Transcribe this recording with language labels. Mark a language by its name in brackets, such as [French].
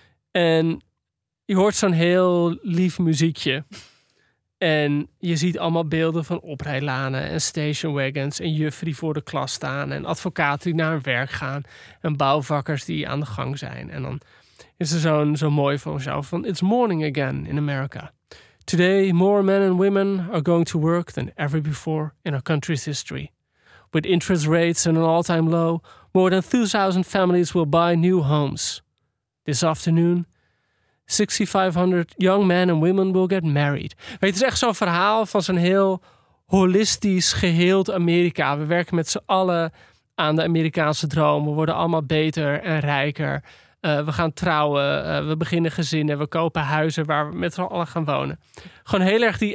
[Dutch] En je hoort zo'n heel lief muziekje. En je ziet allemaal beelden van oprijlanen en station wagons en juffen die voor de klas staan en advocaten die naar hun werk gaan en bouwvakkers die aan de gang zijn. En dan is er zo'n mooi van It's Morning Again in America. [English] Today, more men and women are going to work than ever before in our country's history. With interest rates at an all-time low, more than 2,000 families will buy new homes. This afternoon, 6,500 young men and women will get married. [Dutch] Weet, het is echt zo'n verhaal van zo'n heel holistisch geheeld Amerika. We werken met z'n allen aan de Amerikaanse droom. We worden allemaal beter en rijker. We gaan trouwen, we beginnen gezinnen, we kopen huizen waar we met z'n allen gaan wonen. Gewoon heel erg die...